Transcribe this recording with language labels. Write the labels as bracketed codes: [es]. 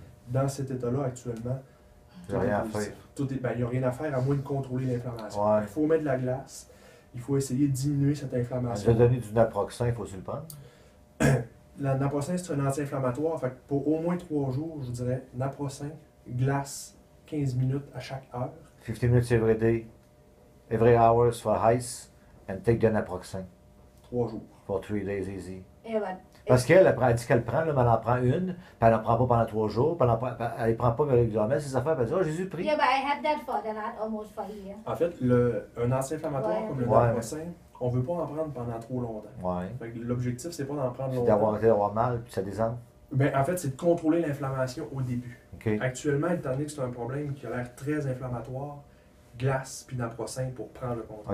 [fr] Dans cet état-là, actuellement, il n'y a rien à faire à moins de contrôler l'inflammation. Ouais. Il faut mettre de la glace, il faut essayer de diminuer cette inflammation. Je vais donner du naproxen, il faut-il le prendre? Le naproxen, c'est un anti-inflammatoire. Fait que pour au moins 3 jours, je dirais naproxen, glace, 15 minutes à chaque heure. [en] 15 minutes every day, every hour for ice, and take the naproxen. [fr] 3 jours. [en] For 3 days easy. [fr] Et parce qu'elle a dit qu'elle prend, là, mais elle en prend une, puis elle n'en prend pas pendant 3 jours, puis elle ne prend pas régulièrement ses affaires, puis elle dit « Oh, Jésus prie! » [en] Yeah, but I have that for the last almost 4 years. [fr] En fait, un anti-inflammatoire ouais, comme ouais. le naproxen, on ne veut pas en prendre pendant trop longtemps. Ouais. Fait que l'objectif, c'est pas d'en prendre longtemps. C'est d'avoir mal, puis ça désemple. Ben, en fait, c'est de contrôler l'inflammation au début. Okay. Actuellement, étant donné que c'est un problème qui a l'air très inflammatoire, glace puis naproxen pour prendre le contrôle.